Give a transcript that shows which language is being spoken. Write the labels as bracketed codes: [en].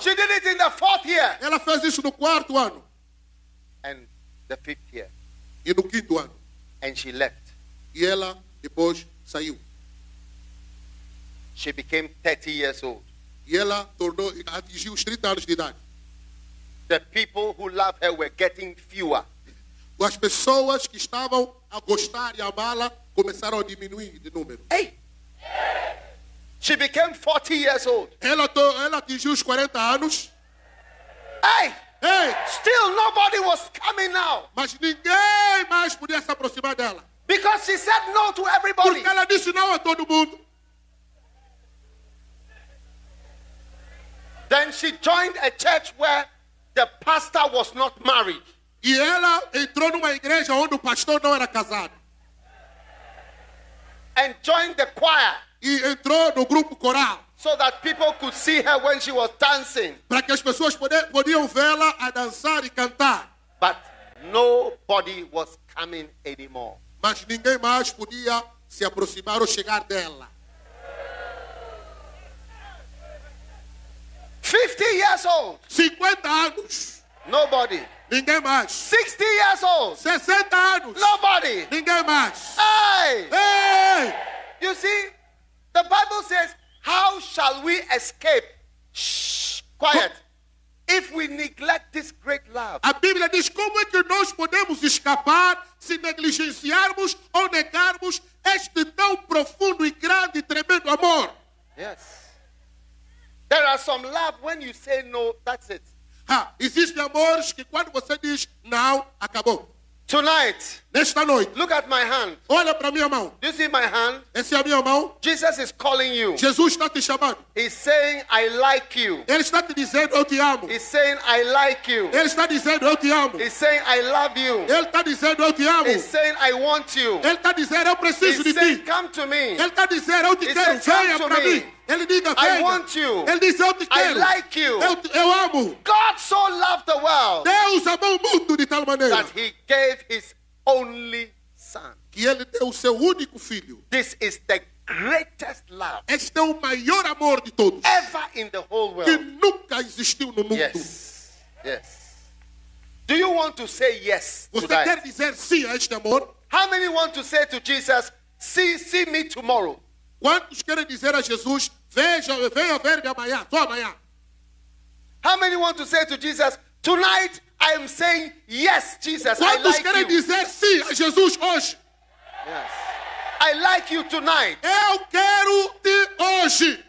[en] She did it in the fourth year. [pt] Ela fez isso no quarto ano. [en] And the fifth year. [pt] E no quinto ano. [en] And she left. [pt] E ela depois saiu. [en] She became 30 years old. [pt] E ela tornou, atingiu os 30 anos de idade. [en] The people who love her were getting fewer. [pt] As pessoas que estavam a gostar e amá-la começaram a diminuir de número. [en] Hey! She became 40 years old. [pt] Ela atingiu os 40 anos. Hey! Hey! [en] Still nobody was coming now. [pt] Mas ninguém mais podia se aproximar dela. [en] Because she said no to everybody. [pt] Porque ela disse não a todo mundo. [en] Then she joined a church where the pastor was not married. [pt] E ela entrou numa igreja onde o pastor não era casado. [en] And joined the choir. [pt] E entrou no grupo coral. [en] So that people could see her when she was dancing. [pt] Para que as pessoas podiam vê-la a dançar e cantar. [en] But nobody was coming anymore. [pt] Mas ninguém mais podia se aproximar ou chegar dela. [en] 50 years old. [pt] 50 anos. [en] Nobody. [pt] Ninguém mais. [en] 60 years old. [pt] 60 anos. [en] Nobody. [pt] Ninguém mais. Hey. Hey. [en] You see, the Bible says, how shall we escape? Quiet. If we neglect this great love. [pt] A Bíblia diz, como é que nós podemos escapar se negligenciarmos ou negarmos este tão profundo e grande e tremendo amor? [en] Yes. There are some love when you say no, that's it. [pt] Existem amores que quando você diz não, acabou. [en] Tonight, [pt] nesta noite, [en] look at my hand. [pt] Olha para minha mão. [en] Do you see my hand? [pt] Essa é a minha mão. [en] Jesus is calling you. [pt] Jesus está te chamando. [en] He's saying I like you. [pt] Ele está te dizendo eu te amo. [en] He's saying I like you. [pt] Ele está dizendo eu te amo. [en] He's saying I love you. [pt] Ele está dizendo eu te amo. [en] He's saying I want you. [pt] Ele está dizendo eu preciso [en] He's [pt] de [en] saying, [pt] ti. [en] Come to me. [pt] Ele está dizendo eu te [en] He's [pt] quero. Venha para mim. Ele diz, [en] I want you. [pt] Ele diz, eu te quero. [en] I like you. [pt] Eu amo. [en] God so loved the world. [pt] Deus amou o mundo de tal maneira. [en] That he gave his only son. [pt] Que ele deu o seu único filho. [en] This is the greatest love. [pt] Este é o maior amor de todos. [en] Ever in the whole world. [pt] Que nunca existiu no mundo. [en] Yes. Yes. Do you want to say yes to [pt] Você [en] that? [pt] Quer dizer sim a este amor? [en] How many want to say to Jesus, see me tomorrow? [pt] Quantos querem dizer a Jesus, veja, venha ver-me amanhã, só amanhã? [en] How many want to say to Jesus, tonight I am saying yes, Jesus, [pt] Quantos [en] I like you. [pt] Quantos querem dizer sim a Jesus hoje? [en] Yes. I like you tonight. [pt] Eu quero te hoje.